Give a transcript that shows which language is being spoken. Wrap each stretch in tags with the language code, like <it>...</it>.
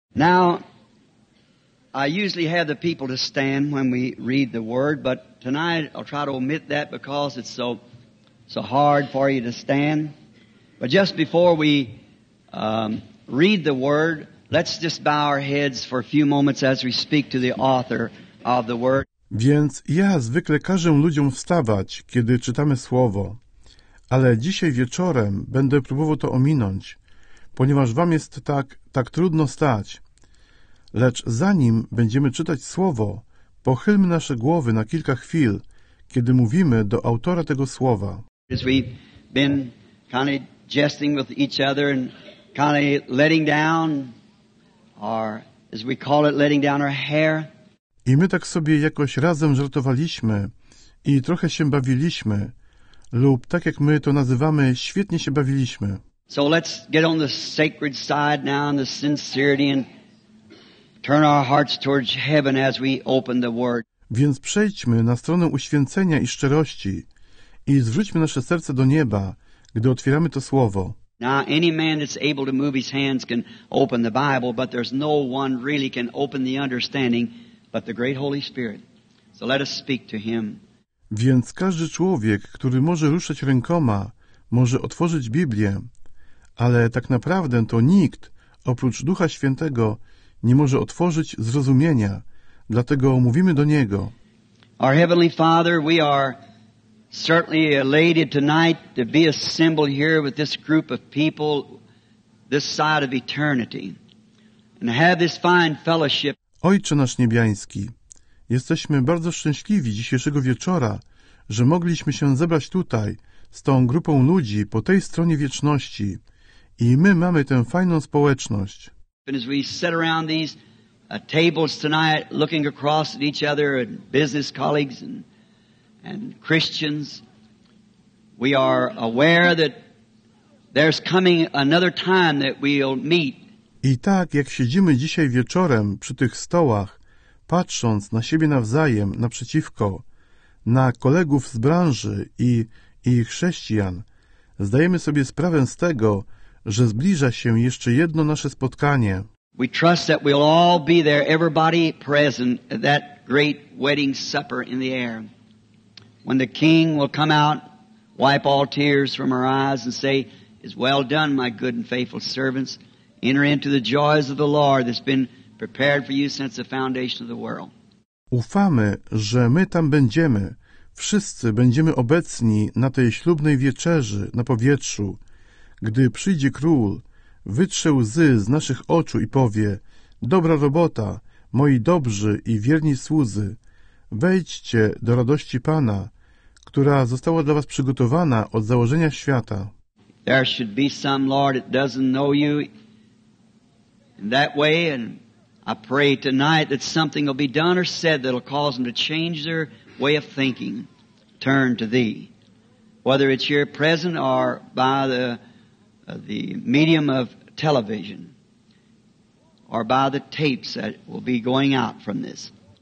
<en>Now, I usually have the people to stand when we read the word, but tonight I'll try to omit that because it's so hard for you to stand. But just before we read the word, let's just bow our heads for a few moments as we speak to the author of the word.</en> <pl>Więc ja zwykle każę ludziom wstawać, kiedy czytamy słowo, ale dzisiaj wieczorem będę próbował to ominąć, ponieważ wam jest tak trudno stać. Lecz zanim będziemy czytać słowo, pochylmy nasze głowy na kilka chwil, kiedy mówimy do autora tego słowa.</pl> <en>As we've been kind of jesting with each other and kind of letting down our, as we call it, letting down our hair.</en> <pl>I my tak sobie jakoś razem żartowaliśmy i trochę się bawiliśmy, lub tak jak my to nazywamy, świetnie się bawiliśmy.</pl> <en>So let's get on the sacred side now in the sincerity and turn our hearts towards heaven as we open the word.</en> <pl>Więc przejdźmy na stronę uświęcenia i szczerości i zwróćmy nasze serce do nieba, gdy otwieramy to słowo.</pl> <en>Now any man that's able to move his hands can open the Bible, but there's no one really can open the understanding but the great Holy Spirit. So let us speak to him.</en> <pl>Więc każdy człowiek, który może ruszać rękoma, może otworzyć Biblię. Ale tak naprawdę to nikt, oprócz Ducha Świętego, nie może otworzyć zrozumienia. Dlatego mówimy do Niego.</pl> <en>Our Heavenly Father, we are certainly elated tonight to be assembled here with this group of people, this side of eternity, and have this fine fellowship.</en> <pl>Ojcze nasz niebiański, jesteśmy bardzo szczęśliwi dzisiejszego wieczora, że mogliśmy się zebrać tutaj z tą grupą ludzi po tej stronie wieczności. I my mamy tę fajną społeczność.</pl> <en>As we sit around these tables tonight, looking across at each other, and business colleagues and Christians, we are aware that there's coming another time that we'll meet.</en> <pl>I tak, jak siedzimy dzisiaj wieczorem przy tych stołach, patrząc na siebie nawzajem, naprzeciwko, na kolegów z branży i chrześcijan, zdajemy sobie sprawę z tego, że zbliża się jeszcze jedno nasze spotkanie.</pl> <en>We trust that we'll all be there, everybody present at that great wedding supper in the air. When the king will come out wipe all tears from her eyes and say, "It's well done, my good and faithful servants. Enter into the joys of the Lord that's been prepared for you since the foundation of the world."</en> <pl>Ufamy, że my tam będziemy. Wszyscy będziemy obecni na tej ślubnej wieczerzy na powietrzu. Gdy przyjdzie król, wytrze łzy z naszych oczu i powie: "Dobra robota, moi dobrzy i wierni słudzy. Wejdźcie do radości Pana, która została dla was przygotowana od założenia świata."</pl> <en>There should be some Lord that doesn't know you in that way, and I pray tonight that something will be done or said that'll cause them to change their way of thinking, turn to Thee. Whether it's here present or by the medium of television or by the tapes that will be going out from this.</en>